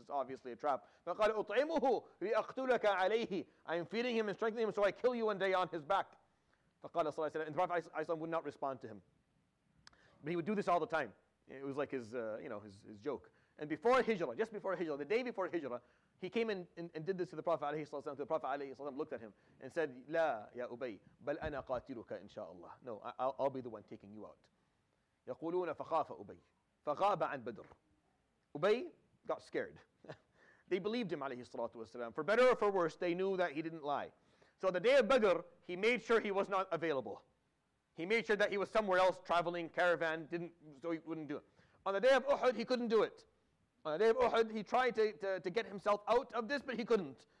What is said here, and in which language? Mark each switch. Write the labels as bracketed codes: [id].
[en] It's obviously a trap. [ar] فقال أطعمه لأقتلك عليه. [en] I'm feeding him and strengthening him so I kill you one day on his back. [ar] فقال صلى الله عليه وسلم. [en] And the Prophet عليه الصلاة والسلام would not respond to him. But he would do this all the time. It was like his joke. And before Hijrah, just before Hijrah, the day before Hijrah, he came and did this to the Prophet عليه الصلاة والسلام. The Prophet [ar] عليه الصلاة والسلام [en] looked at him and said, [ar] لا يا أبي بل أنا قاتلك إن شاء الله. [en] No, I'll be the one taking you out. [ar] يقولون فخاف أبي فغاب عن بدر. [en] أبي got scared. They believed him عليه الصلاة والسلام. For better or for worse, they knew that he didn't lie. So the day of Badr, he made sure he was not available. He made sure that he was somewhere else traveling, caravan, didn't, so he wouldn't do it. On the day of Uhud, he couldn't do it. On the day of Uhud, he tried to get himself out of this, but he couldn't.